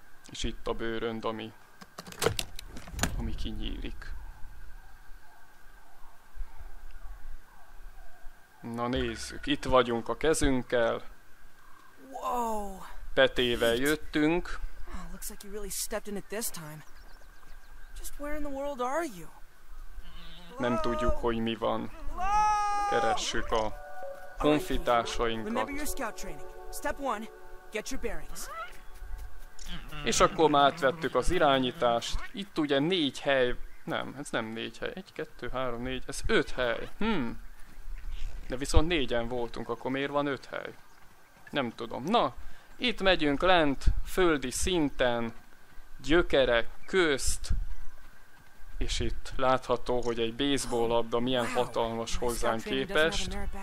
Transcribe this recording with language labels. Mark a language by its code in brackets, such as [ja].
[hu] És itt a bőrönd, ami kinyílik. Na nézzük, itt vagyunk a kezünkkel. Wow! Petével jöttünk. [en] Oh, looks like you really stepped in it this time. Just where in the world are you? [hu] Nem tudjuk, hogy mi van. Keressük a honfitársainkat. [en] Remember your scout training. Step one, get your bearings. [hu] És akkor már átvettük az irányítást. Itt ugye 4 hely. Nem, ez nem 4 hely. 1, 2, 3, 4. Ez 5 hely. De viszont 4-en voltunk, akkor miért van 5 hely? Nem tudom. Na. Itt megyünk lent, földi szinten, gyökerek közt, és itt látható, hogy egy baseball labda milyen hatalmas hozzánk képest.